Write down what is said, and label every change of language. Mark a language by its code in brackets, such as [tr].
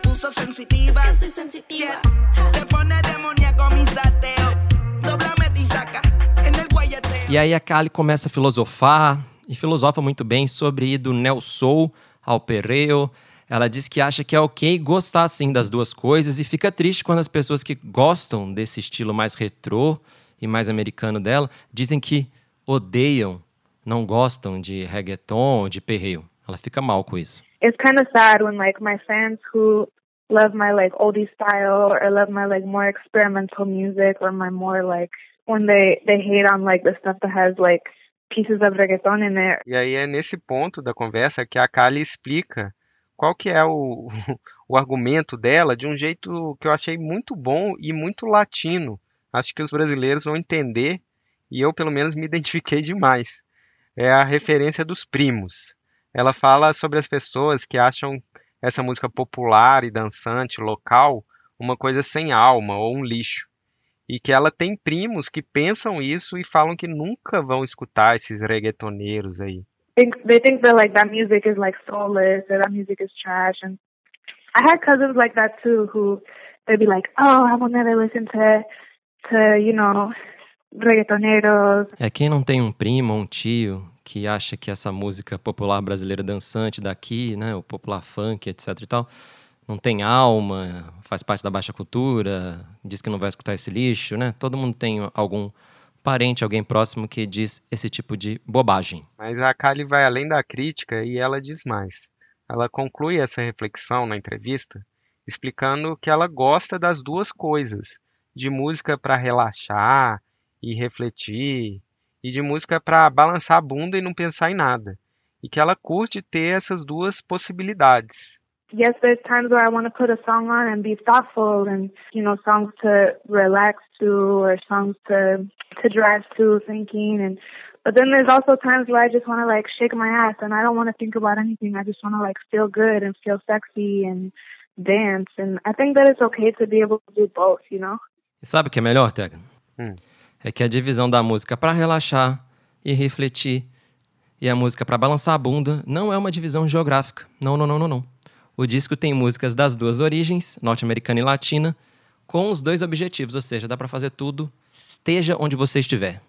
[es] Sensitiva, es que soy sensitiva. Se pone demoníaco mi sateo. Dóblame y saca en el guayeteo. [pt] E aí a Kali começa a filosofar, e filosofa muito bem sobre ir do Neo Soul ao Perreo. Ela diz que acha que é ok gostar assim das duas coisas e fica triste quando as pessoas que gostam desse estilo mais retrô e mais americano dela dizem que odeiam, não gostam de reggaeton ou de perreo. Ela fica mal com isso. [en] It's kind of sad when like my fans who love my like oldie style or love my like more experimental music or my more like when they hate on like the stuff that has like pieces of reggaeton in there. [pt] E aí é nesse ponto da conversa que a Kali explica qual que é o argumento dela de um jeito que eu achei muito bom e muito latino. Acho que os brasileiros vão entender e eu, pelo menos, me identifiquei demais. É a referência dos primos. Ela fala sobre as pessoas que acham essa música popular e dançante, local, uma coisa sem alma ou um lixo. E que ela tem primos que pensam isso e falam que nunca vão escutar esses reggaetoneiros aí. [en] They think that like that music is like soulless, that music is trash. And I had cousins like that too, who they'd be like, "Oh, I will never listen to, you know, reggaetoneros." [pt] É quem não tem um primo, um tio que acha que essa música popular brasileira dançante daqui, né, o popular funk, etc e tal, não tem alma, faz parte da baixa cultura, diz que não vai escutar esse lixo, né? Todo mundo tem algum parente, alguém próximo que diz esse tipo de bobagem. Mas a Kali vai além da crítica e ela diz mais. Ela conclui essa reflexão na entrevista explicando que ela gosta das duas coisas, de música para relaxar e refletir, e de música para balançar a bunda e não pensar em nada. E que ela curte ter essas duas possibilidades. [en] Yes, there's times where I want to put a song on and be thoughtful and, you know, songs to relax to or songs to drive to thinking and but then there's also times where I just want to like shake my ass and I don't want to think about anything. I just want to like feel good and feel sexy and dance and I think that it's okay to be able to do both, you know? [pt] E sabe o que é melhor, Tegan? É que a divisão da música para relaxar e refletir e a música para balançar a bunda não é uma divisão geográfica. Não, não, não, não, não. O disco tem músicas das duas origens, norte-americana e latina, com os dois objetivos, ou seja, dá para fazer tudo, esteja onde você estiver.